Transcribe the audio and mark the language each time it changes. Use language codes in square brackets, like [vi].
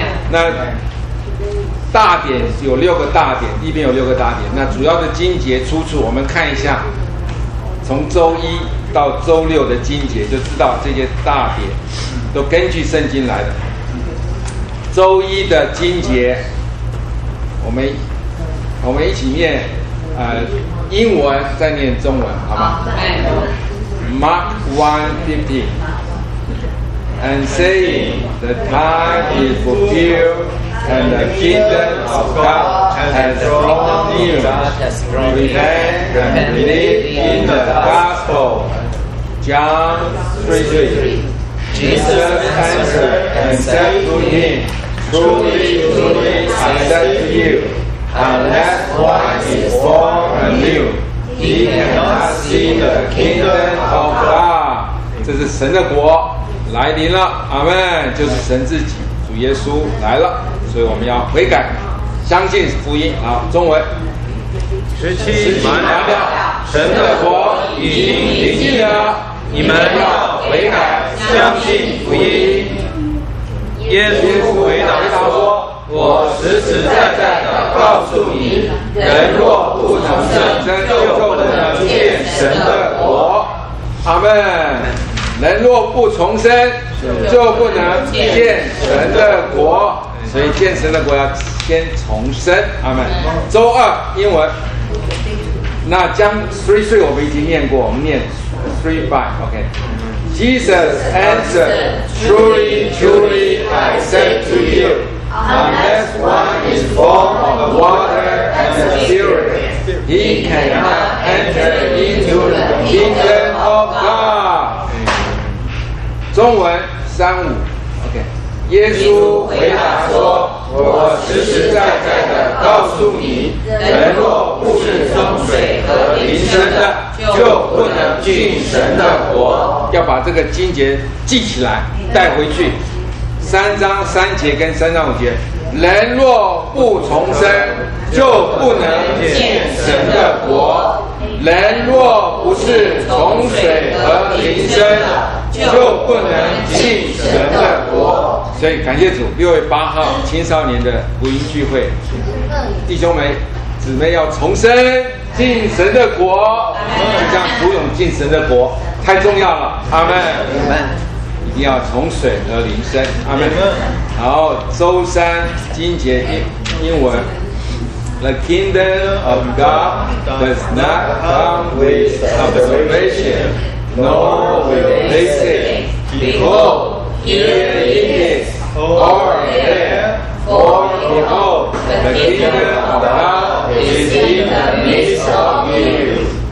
[zh] 那大点有六个大点，第一篇有六个大点。那主要的经节出处我们看一下，从周一到周六的经节就知道这些大点都根据圣经来的。周一的经节我们一起念，英文再念中文，好吧？ [en] Mark 1:15 And saying, the time is fulfilled, and the kingdom of God has drawn near. Repent and believe in the gospel. John 3:3 Jesus answered and said to him, Truly, truly, I say to you,Unless one is born anew, he cannot see the kingdom of God. [zh] 这是神的国来临了，阿们。就是神自己，主耶稣来了，所以我们要悔改，相信福音。好，中文。 17马拿掉，神的国已经临近了，你们要悔改，相信福音。耶稣回答他说。我实实在在地告诉你，人若不重生，就不能见神的国。阿们。人若不重生，就不能见神的国。所以见神的国要先重生。阿们。周二英文。那将 3:3 我们已经念过，我们念 3:5 OK。 [en] Jesus answered, Truly, truly, I say to you. Unless one is born of the water and the spirit, he cannot enter into the kingdom of God. [zh] 中文3:5 OK. 耶稣回答说，我实实在在的告诉你，人若不是从水和灵生的，就不能进神的国。要把这个经节记起来，带回去。 3:3跟3:5，人若不重生，就不能见神的国。人若不是从水和灵生，就不能进神的国。所以感谢主，6月8号青少年的福音聚会，弟兄们、姊妹要重生，进神的国，就像福永进神的国，太重要了。阿们。一定要从水和灵生，阿们。然后周三经节英文 [en] The kingdom of God does not come with observation nor with basic. Behold, here it is, or there, for behold, the kingdom of God is in the midst of you.